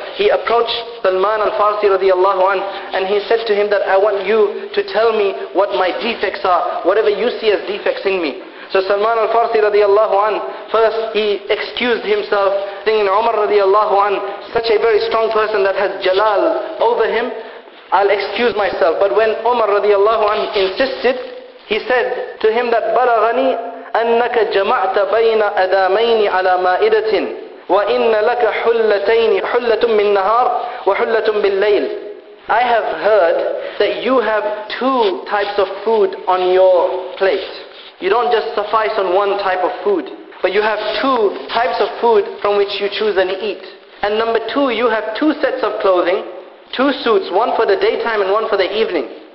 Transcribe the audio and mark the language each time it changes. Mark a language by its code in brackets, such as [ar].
[en] He approached Salman al-Farsi radiallahu anhu and he said to him that I want you to tell me what my defects are, whatever you see as defects in me. So Salman al-Farsi radiallahu anhu, first he excused himself, thinking Umar radiallahu anhu, such a very strong person that has jalal over him, I'll excuse myself. But when Umar radiallahu anhu insisted, he said to him that [ar] بَلَغَنِي أَنَّكَ جَمَعْتَ بَيْنَ أَدَامَيْنِ عَلَى مَائِدَةٍ وَإِنَّ لَكَ حُلَّتَيْنِ حُلَّةٌ مِّن نَهَارٍ وَحُلَّةٌ بِالْلَيْلِ. [en] I have heard that you have two types of food on your plate. You don't just suffice on one type of food, but you have two types of food from which you choose and eat. And number two, you have two sets of clothing, two suits, one for the daytime and one for the evening.